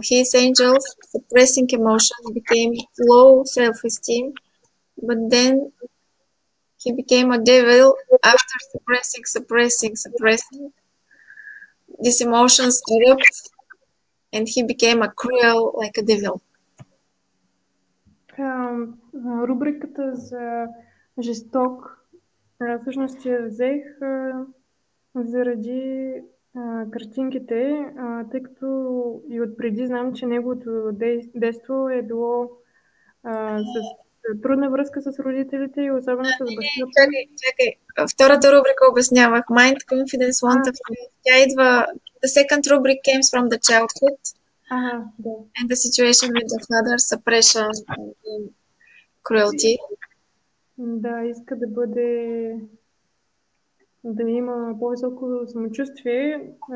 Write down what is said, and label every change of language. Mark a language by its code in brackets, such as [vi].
[en] He is angel, suppressing emotion, became low self-esteem, but then he became a devil after suppressing. These emotions erupt and he became a cruel, like a devil. [bg] Рубриката за жесток всъщност я взех заради картинките, тъй като и отпреди знам, че неговото детство е било с трудна връзка с родителите и особено с бащата. Чакай. Втората рубрика обяснявах. [en] Mind, confidence, want of faith. [bg] Тя идва. [en] The second rubric came from the childhood. [bg] Да. [en] And the situation with the father, suppression and cruelty. [bg] Да, иска да бъде, да има по-високо самочувствие.